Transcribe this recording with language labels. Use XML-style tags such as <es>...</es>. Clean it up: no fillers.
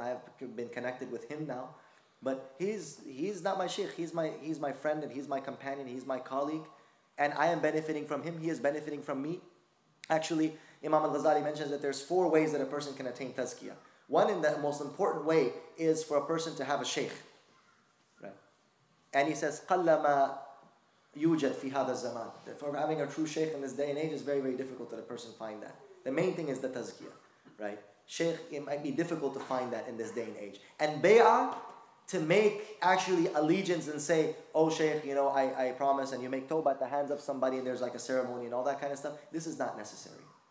<en>I have been connected with him now. But he's not my sheikh, he's my friend and he's my companion, he's my colleague. And I am benefiting from him, he is benefiting from me. Actually, Imam al-Ghazali mentions that there's four ways that a person can attain tazkiyah. One in the most important way is for a person to have a sheikh. Right. And he says,</en> <ar>قَلَّمَا يُوجَدْ فِي هَذَا الزَّمَانِ.</ar> <en>That for having a true sheikh in this day and age is very, very difficult that a person find that. The main thing is the tazkiyah. Right? Sheikh, it might be difficult to find that in this day and age. And bay'ah, to make actually allegiance and say, oh sheikh, you know, I promise, and you make tawbah at the hands of somebody and there's like a ceremony and all that kind of stuff, this is not necessary.</en>